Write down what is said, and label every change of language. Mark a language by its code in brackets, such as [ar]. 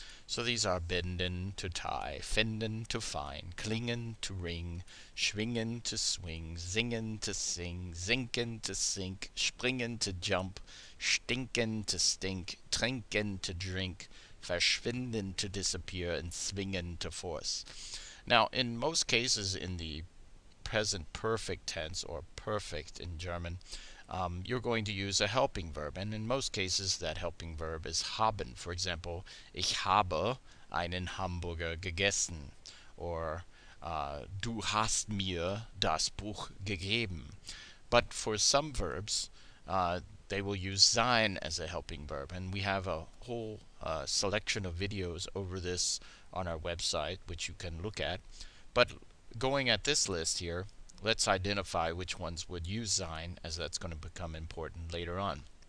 [en] So these are binden, to tie, finden, to find, klingen, to ring, schwingen, to swing, singen, to sing, sinken, to sink, springen, to jump, stinken, to stink, trinken, to drink, verschwinden, to disappear, and swingen, to force. Now, in most cases in the present perfect tense, or perfect in German, you're going to use a helping verb, and in most cases that helping verb is haben. For example, [de] ich habe einen Hamburger gegessen, [en] or [de] du hast mir das Buch gegeben. [en] But for some verbs, they will use sein as a helping verb, and we have a whole selection of videos over this on our website, which you can look at. But going at this list here, let's identify which ones would use sein, as that's going to become important later on.